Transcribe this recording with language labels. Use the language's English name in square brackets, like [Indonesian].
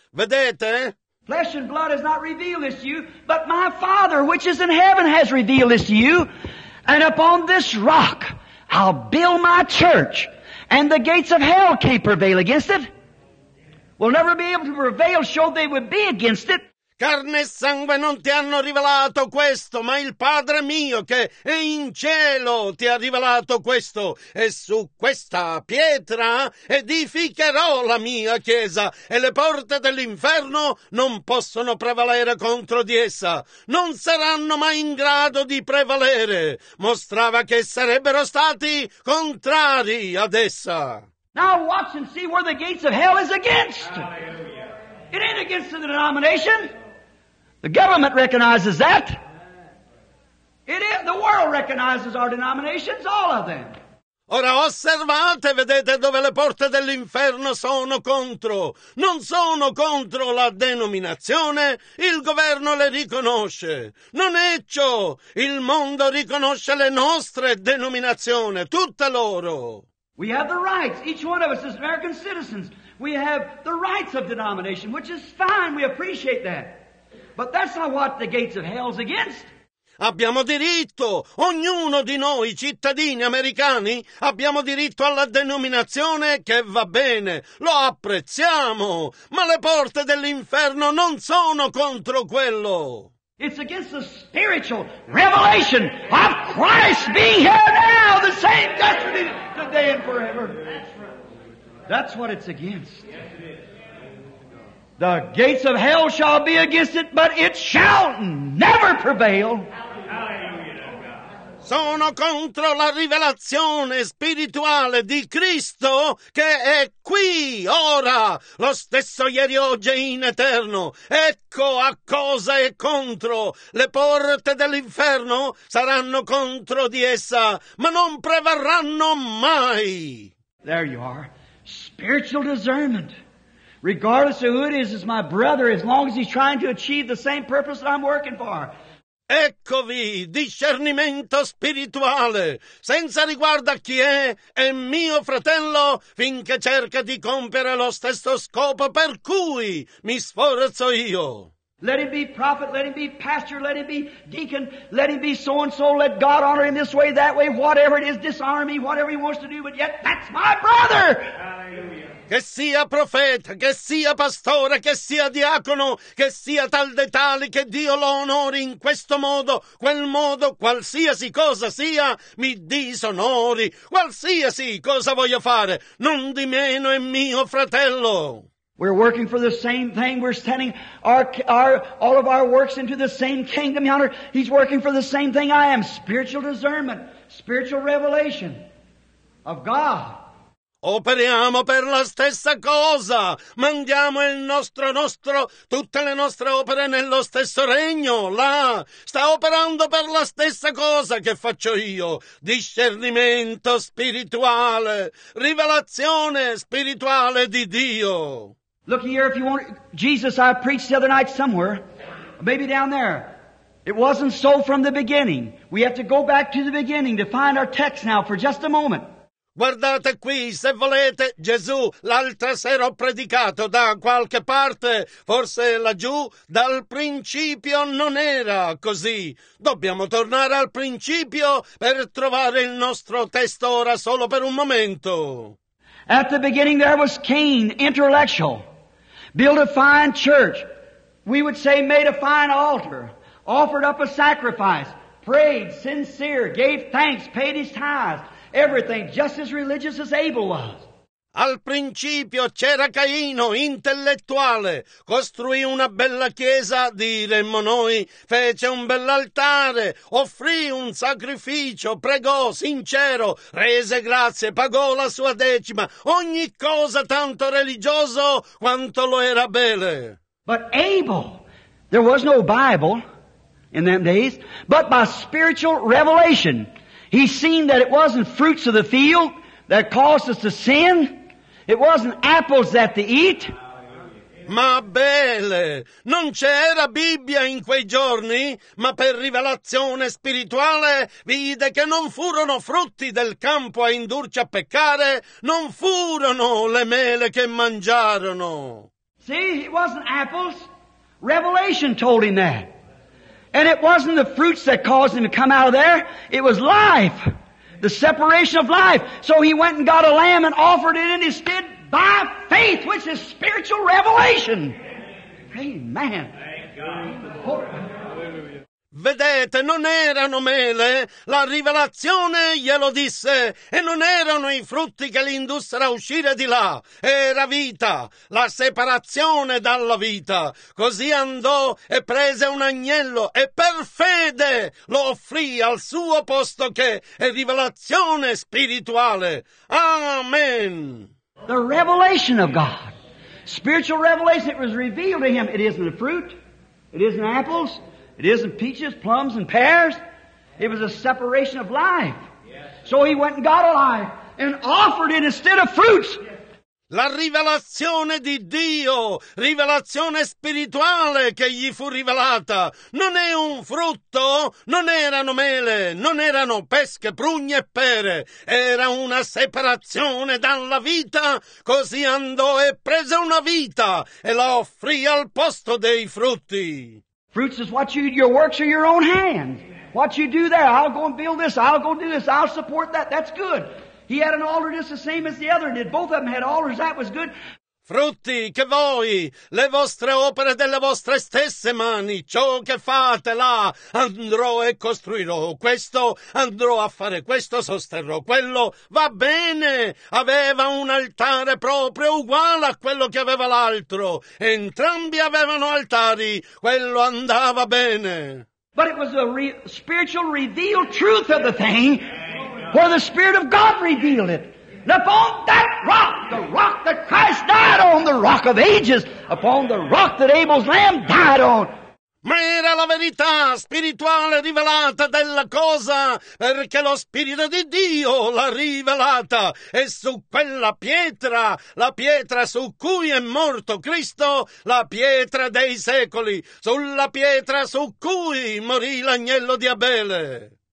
[Italian] Vedete? [English] Flesh and blood has not revealed this to you, but my Father, which is in heaven, has revealed this to you. And upon this rock I'll build my church, and the gates of hell can't prevail against it. Will never be able to prevail, so they would be against it. [Italian] Carne e sangue non ti hanno rivelato questo, ma il Padre mio che è in cielo ti ha rivelato questo. E su questa pietra edificherò la mia chiesa e le porte dell'inferno non possono prevalere contro di essa. Non saranno mai in grado di prevalere. Mostrava che sarebbero stati contrari ad essa. [English] Now watch and see where the gates of hell is against. It ain't against the denomination. The government recognizes that. It is. The world recognizes our denominations, all of them. [Italian] Ora osservate, vedete dove le porte dell'inferno sono contro. Non sono contro la denominazione, il governo le riconosce. Non è ciò. Il mondo riconosce le nostre denominazioni, tutte loro. [English] We have the rights. Each one of us is American citizens. We have the rights of denomination, which is fine. We appreciate that. But that's not what the gates of hell's against. [Italian] Abbiamo diritto, ognuno di noi cittadini americani, abbiamo diritto alla denominazione che va bene, lo apprezziamo, ma le porte dell'inferno non sono contro quello. [English] It's against the spiritual revelation of Christ being here now, the same yesterday, today and forever. That's what it's against. The gates of hell shall be against it, but it shall never prevail. [Italian] Sono contro la rivelazione spirituale di Cristo che è qui, ora, lo stesso ieri, oggi e in eterno. Ecco a cosa è contro. Le porte dell'inferno saranno contro di essa, ma non prevarranno mai. [English] There you are. Spiritual discernment. Regardless of who it is, it's my brother, as long as he's trying to achieve the same purpose that I'm working for. [Italian] Eccovi, discernimento spirituale. Senza riguardo a chi è mio fratello, finché cerca di compiere lo stesso scopo per cui mi sforzo io. [English] Let him be prophet, let him be pastor, let him be deacon, let him be so-and-so, let God honor him this way, that way, whatever it is, disarm me, whatever he wants to do, but yet that's my brother! Hallelujah. [Italian] che sia profeta, che sia pastore, che sia diacono, che sia tal dei tali, che Dio lo onori in questo modo, quel modo, qualsiasi cosa sia, mi disonori, qualsiasi cosa voglio fare, non di meno è mio fratello. [English] We're working for the same thing. We're sending all of our works into the same kingdom yonder. He's working for the same thing I am. Spiritual discernment, spiritual revelation of God. [Italian] Operiamo per la stessa cosa. Mandiamo il nostro, tutte le nostre opere nello stesso regno, là. Sta operando per la stessa cosa che faccio io. Discernimento spirituale, rivelazione spirituale di Dio. [English] Look here, if you want, Jesus, I preached the other night somewhere, maybe down there. It wasn't so from the beginning. We have to go back to the beginning to find our text now for just a moment. [Italian] Guardate qui, se volete, Gesù, l'altra sera ho predicato da qualche parte, forse laggiù, dal principio non era così. Dobbiamo tornare al principio per trovare il nostro testo ora solo per un momento. [English] At the beginning there was Cain, intellectual, built a fine church, we would say made a fine altar, offered up a sacrifice, prayed, sincere, gave thanks, paid his tithes, everything, just as religious as Abel was. [Italian] Al principio c'era Caino, intellettuale, costruì una bella chiesa, diremmo noi, fece un bell'altare, offrì un sacrificio, pregò, sincero, rese grazie, pagò la sua decima, ogni cosa tanto religioso quanto lo era Abele. [English] But Abel, there was no Bible in them days, but by spiritual revelation, he seen that it wasn't fruits of the field that caused us to sin. It wasn't apples that they eat. [Italian] Ma Abele, non c'era Bibbia in quei giorni, ma per rivelazione spirituale vide che non furono frutti del campo a indurci a peccare, non furono le mele che mangiarono. [English] See, it wasn't apples. Revelation told him that. And it wasn't the fruits that caused him to come out of there, it was life. The separation of life. So he went and got a lamb and offered it in his stead by faith, which is spiritual revelation. Amen. Thank God. [Italian] Vedete, non erano mele, la rivelazione glielo disse, e non erano i frutti che li indussero a uscire di là, era vita, la separazione dalla vita. Così andò e prese un agnello e per fede lo offrì al suo posto che è rivelazione spirituale. Amen. [English] The revelation of God, spiritual revelation, it was revealed to him. It isn't a fruit, it isn't apples. It isn't peaches, plums, and pears. It was a separation of life. Yes. So he went and got a life and offered it instead of fruits. Yes. [Italian] La rivelazione di Dio, rivelazione spirituale che gli fu rivelata, non è un frutto, non erano mele, non erano pesche, prugne e pere, era una separazione dalla vita, così andò e prese una vita e la offrì al posto dei frutti. [English] Fruits is what you, your works are your own hand. What you do there, I'll go and build this, I'll go do this, I'll support that, that's good. He had an altar just the same as the other did. Both of them had altars, that was good. [Italian] Frutti che voi, le vostre opere delle vostre stesse mani, ciò che fate là, andrò e costruirò questo, andrò a fare questo, sosterrò quello, va bene, aveva un altare proprio uguale a quello che aveva l'altro, entrambi avevano altari, quello andava bene. [English] But it was the spiritual revealed truth of the thing, where the Spirit of God revealed it. Upon that rock, the rock that Christ died on, the rock of ages, upon the rock that Abel's lamb died on. [Italian] Ma era la verità spirituale rivelata della cosa, perché lo Spirito di Dio l'ha rivelata, e su quella pietra, la pietra su cui è morto Cristo, la pietra dei secoli, sulla pietra su cui morì l'agnello di Abele.